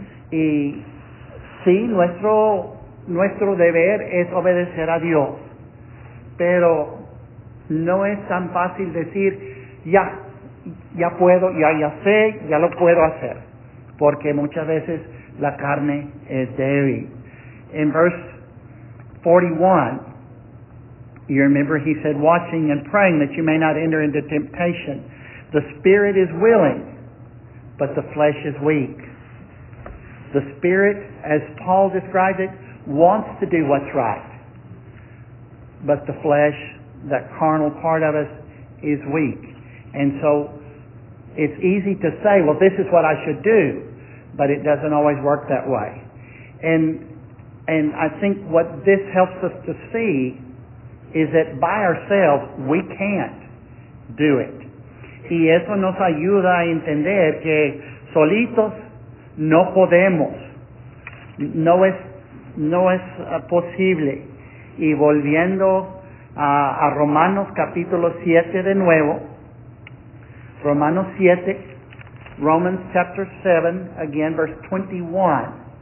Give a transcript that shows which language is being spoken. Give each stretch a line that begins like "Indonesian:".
Spanish: Y sí, nuestro deber es obedecer a Dios, pero no es tan fácil decir, ya puedo, ya sé, ya lo puedo hacer, porque muchas veces la carne es débil.
English: In verse 41, you remember he said, watching and praying that you may not enter into temptation. The spirit is willing, but the flesh is weak. The spirit, as Paul described it, wants to do what's right, but the flesh, that carnal part of us, is weak. And so it's easy to say, well, this is what I should do, but it doesn't always work that way. And I think what this helps us to see is that by ourselves, we can't do it.
Spanish: Y eso nos ayuda a entender que solitos no podemos. No es posible. Y volviendo a Romanos capítulo 7 de nuevo, Romanos 7,
English: Romans chapter 7,
Spanish: again verse 21.